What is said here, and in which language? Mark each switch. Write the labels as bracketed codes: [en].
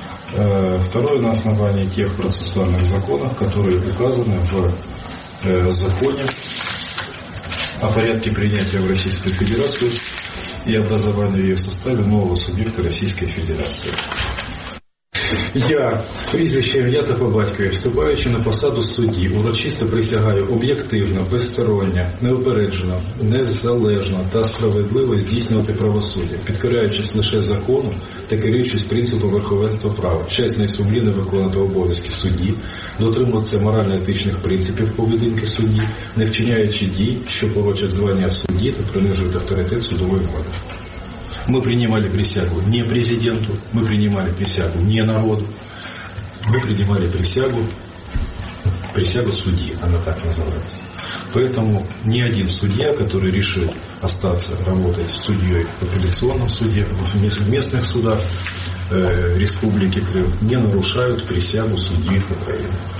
[ru] Второе, на основании тех процессуальных законов, которые указаны в законе о порядке принятия в Российскую Федерацию и образования ее в составе нового субъекта Российской Федерации. [uk] Я, прізвище ім'я по батькові, вступаючи на посаду судді, урочисто присягаю об'єктивно, безсторонньо, неупереджено, незалежно та справедливо здійснювати правосуддя, підкоряючись лише закону та керуючись принципом верховенства права, чесно і сумлінно виконувати обов'язки судді, дотримуватися морально-етичних принципів поведінки судді, не вчиняючи дій, що порочать звання судді та принижують авторитет судової влади. [ru] Мы принимали присягу не президенту, мы принимали присягу не народу, мы принимали присягу судьи, она так называется. Поэтому ни один судья, который решил остаться работать судьей в апелляционном суде, в местных судах Республики Крым, не нарушают присягу судьи Украины.